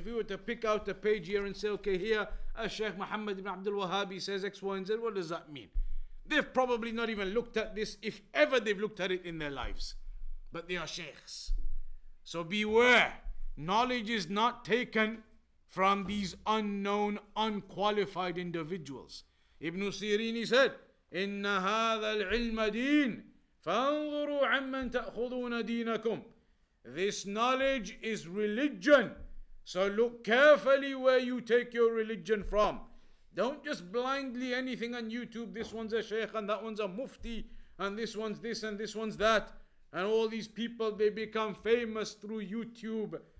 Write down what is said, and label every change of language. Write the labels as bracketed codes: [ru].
[en] If we were to pick out a page here and say, okay, here, Sheikh Muhammad ibn Abdul Wahhabi says X, Y, and Z, what does that mean? They've probably not even looked at this, if ever they've looked at it in their lives. But they are Sheikhs. So beware, knowledge is not taken from these unknown, unqualified individuals. Ibn Sirini said, [ar] إِنَّ هَذَا الْعِلْمَ دِينَ فَانْظُرُوا عَمَّنْ تَأْخُذُونَ دِينَكُمْ. [en] This knowledge is religion. So look carefully where you take your religion from. Don't just blindly anything on YouTube. This one's a sheikh and that one's a mufti. And this one's this and this one's that. And all these people, they become famous through YouTube.